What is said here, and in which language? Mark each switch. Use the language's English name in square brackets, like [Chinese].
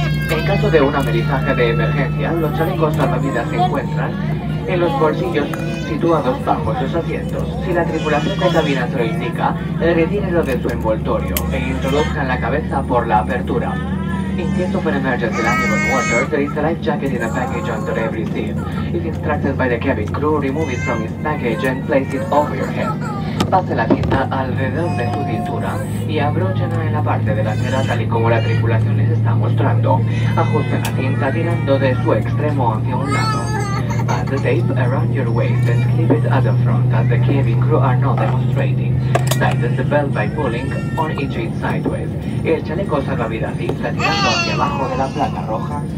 [Spanish] En caso de un aterrizaje de emergencia, los chalecos salvavidas se encuentran en los bolsillos situados bajo sus asientos. Si la tripulación de cabina se lo indica, retírenlo de su envoltorio e introduzcan la cabeza por la apertura. [English] In case of an emergency landing on water, there is a life jacket in a package under every seat. If instructed by the cabin crew, remove it from its package and place it over your head. [Spanish] Pase la cinta alrededor de su cintura y abróchenla en la parte delantera tal y como la tripulación les está mostrando. Ajuste la cinta tirando de su extremo hacia un lado. [English] Pass the tape around your waist and clip it at the front as the cabin crew are not demonstrating. Tighten the belt by pulling on each end sideways. [Spanish] El chaleco salvavidas infla tirando hacia abajo de la placa roja.